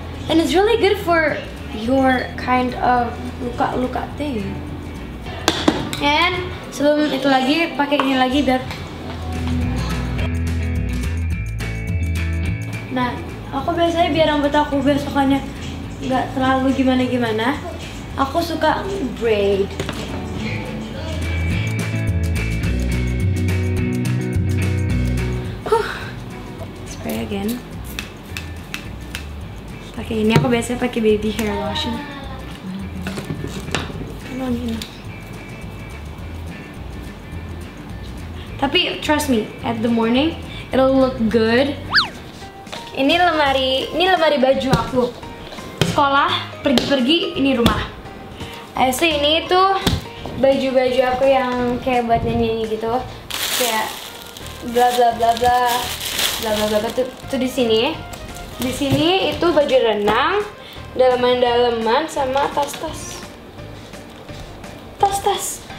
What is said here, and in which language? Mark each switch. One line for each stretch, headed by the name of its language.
English: And it's really good for your kind of luka-luka thing.
Indonesian: And sebelum itu lagi, pakai ini lagi biar. Nah, aku biasanya biar rambut aku besokannya gak terlalu gimana-gimana, aku suka braid.
English: Spray again.
Indonesian: Pakai ini, aku biasanya pakai baby hair lotion.
English: Tapi trust me, at the morning it'll look good.
Indonesian: Ini lemari baju aku. Sekolah, pergi-pergi, ini rumah. So ini tuh baju-baju aku yang kayak buat nyanyi gitu. Kayak bla bla bla bla bla bla bla tuh di sini. Di sini itu baju renang, daleman-daleman sama tas-tas. Tas-tas.